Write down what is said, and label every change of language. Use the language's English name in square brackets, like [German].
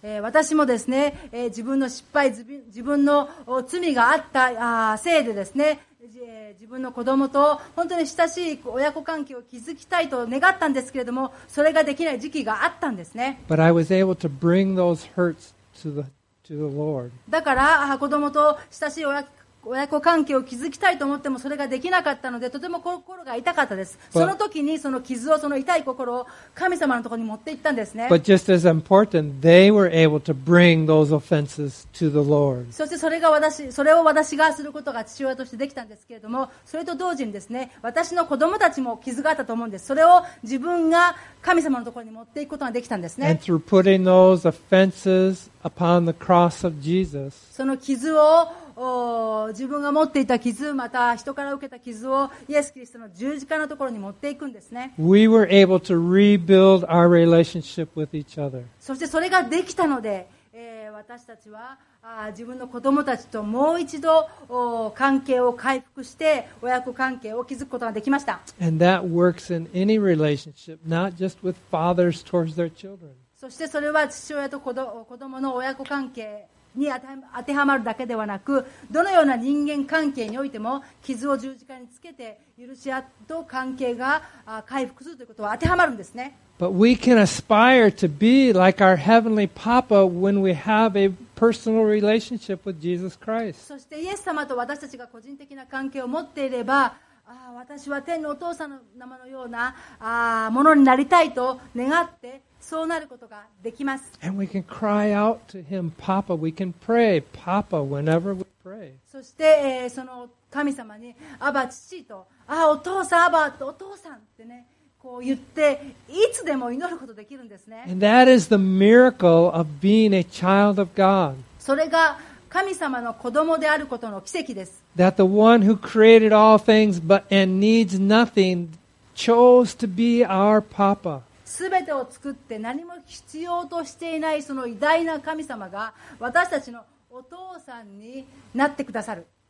[Japanese] 私もですね、自分の失敗、自分の罪があったせいでですね、自分の子供と本当に親しい親子関係を築きたいと願ったんですけれども、それができない時期があったんですね。 [English] But I was able to bring those hurts to the Lord. [Japanese] だから子供と親しい親子関係を築きたいと思ってもそれができなかったので、とても心が痛かったです。 But, その時にその傷を、その痛い心を神様のところに持って行ったんですね。 [English] But just as important, they were able to bring those offenses to the Lord. [Japanese] そしてそれを私がすることが父親としてできたんですけれども、それと同時にですね、私の子供たちも傷があったと思うんです。それを自分が神様のところに持っていくことができたんですね。 [English] And through putting those offenses upon the cross of Jesus, [Japanese] その傷を自分が持っていた傷、また人から受けた傷をイエス・キリストの十字架のところに持っていくんですね。 [English] We were able to rebuild our relationship with each other. [Japanese] そしてそれができたので、私たちは自分の子供たちともう一度関係を回復して親子関係を築くことができました。 [English] And that works in any relationship, not just with fathers towards their children. [Japanese] そしてそれは父親と子供の親子関係に当てはまるだけではなく、どのような人間関係においても傷を十字架につけて許し合うと関係が回復するということは当てはまるんですね。 [English] But we can aspire to be like our heavenly Papa when we have a personal relationship with Jesus Christ. [Japanese] そしてイエス様と私たちが個人的な関係を持っていれば、私は天のお父さんの名前のようなものになりたいと願って。そうなることができます。 [English] And we can cry out to him, Papa. We can pray, Papa, whenever we pray. [Japanese] そして、その神様に、アバ父と、あ、お父さん、アバお父さんってね、こう言って、いつでも祈ることができるんですね。 [English] And that is the miracle of being a child of God. [Japanese] それが神様の子供であることの奇跡です。 [English] That the one who created all things but and needs nothing chose to be our Papa. [Japanese] すべてを作って何も必要としていないその偉大な神様が私たちのお父さんになってくださる。